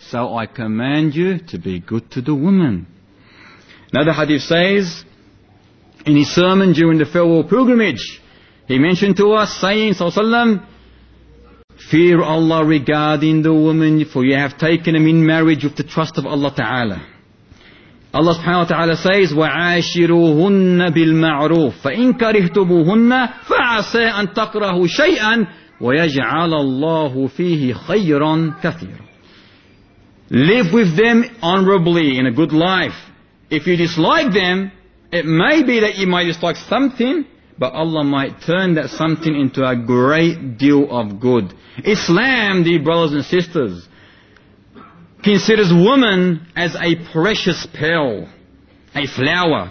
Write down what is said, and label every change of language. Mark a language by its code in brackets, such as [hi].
[en] So I command you to be good to the woman. Now the hadith says, in his sermon during the farewell pilgrimage, he mentioned to us, saying, sallallahu alayhi wa sallam, fear Allah regarding the woman, for you have taken him in marriage with the trust of Allah Ta'ala. Allah subhanahu wa ta'ala says, [ar] وَعَاشِرُوهُنَّ بِالْمَعْرُوفِ فَإِنْ كَرِهْتُمُوهُنَّ فَعَسَىٰ أَن تَكْرَهُوا شَيْئًا وَيَجْعَلَ اللَّهُ فِيهِ خَيْرًا كَثِيرًا. [en] Live with them honorably in a good life. If you dislike them, it may be that you might dislike something, but Allah might turn that something into a great deal of good. Islam, dear brothers and sisters, considers woman as a precious pearl, a flower.